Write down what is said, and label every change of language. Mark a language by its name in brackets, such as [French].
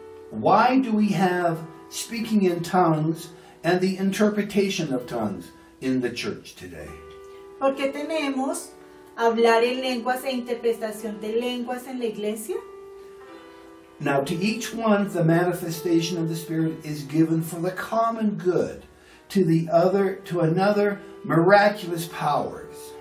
[English] Why do we have speaking in tongues and the interpretation of tongues in the church today? [Spanish] ¿Por qué tenemos hablar en lenguas e interpretación de lenguas en la iglesia? [English] Now to each one the manifestation of the Spirit is given for the common good, to the other, to another, miraculous powers.